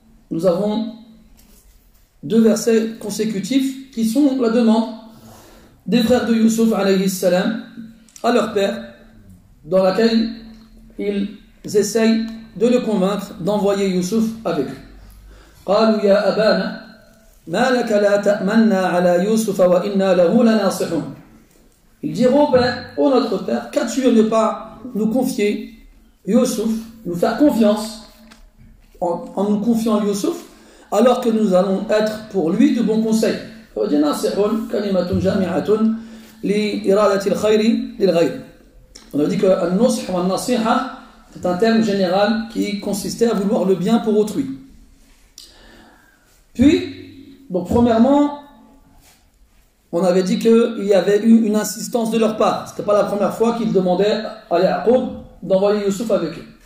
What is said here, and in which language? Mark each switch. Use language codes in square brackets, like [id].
[fr] nous avons deux versets consécutifs qui sont la demande des frères de Yusuf alayhi salam à leur père, dans laquelle ils essayent de le convaincre d'envoyer Yusuf avec eux. [ar] قالوا يا أبانا ما لك لا تأمنا على يوسف وإنا له لناصحون. [fr] Ils diront: oh ben, oh notre père, qu'as-tu de ne pas nous confier Yusuf, nous faire confiance en nous confiant Yusuf, alors que nous allons être pour lui de bons conseils. [ar] وديناصحون كلمة جامعة لإرادة الخير للغير. [fr] On a dit que النصح والنصيحة est un terme général qui consistait à vouloir le bien pour autrui. Puis, donc premièrement, on avait dit qu'il y avait eu une insistance de leur part. Ce n'était pas la première fois qu'ils demandaient à Yaqub d'envoyer Yusuf avec eux.